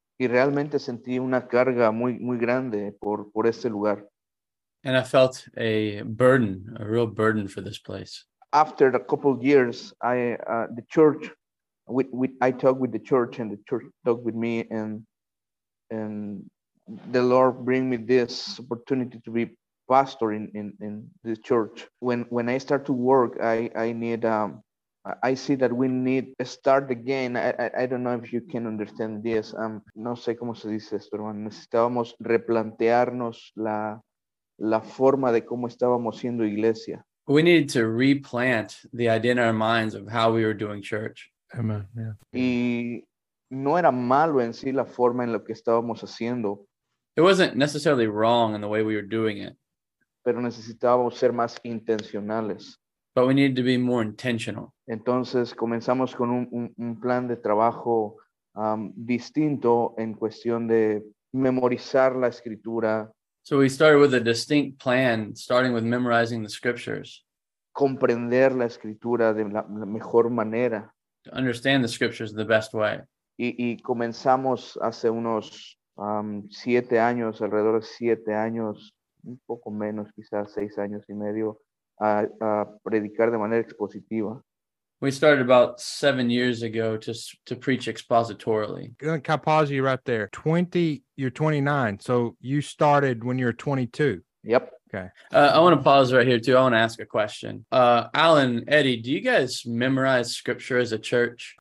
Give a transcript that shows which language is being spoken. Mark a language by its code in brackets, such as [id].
[es] Y realmente sentí una carga muy muy grande por este lugar. [en] And I felt a burden, a real burden for this place. After a couple of years, I talked with the church, and the church talked with me, and the Lord bring me this opportunity to be pastor in this church. When I start to work, I see that we need to start again. I don't know if you can understand this. [es] No sé cómo se dice esto, hermano. Necesitábamos replantearnos la forma de cómo estábamos siendo iglesia. [en] We needed to replant the idea in our minds of how we were doing church. Amen. Yeah. [es] Y no era malo en sí la forma en lo que estábamos haciendo. [en] It wasn't necessarily wrong in the way we were doing it. [es] Pero necesitábamos ser más intencionales. [en] But we needed to be more intentional. [es] Entonces comenzamos con un plan de trabajo distinto en cuestión de memorizar la escritura. [en] So we started with a distinct plan, starting with memorizing the scriptures. [es] Comprender la escritura de la mejor manera. [en] To understand the scriptures the best way. [es] Y comenzamos hace unos 7 años, alrededor de 7 años, un poco menos, quizás 6 años y medio, a predicar de manera expositiva. [en] We started about 7 years ago to preach expositorily. Can I pause you right there? You're 29. So you started when you were 22. Yep. Okay. I want to pause right here too. I want to ask a question. Alan, Eddie, do you guys memorize scripture as a church?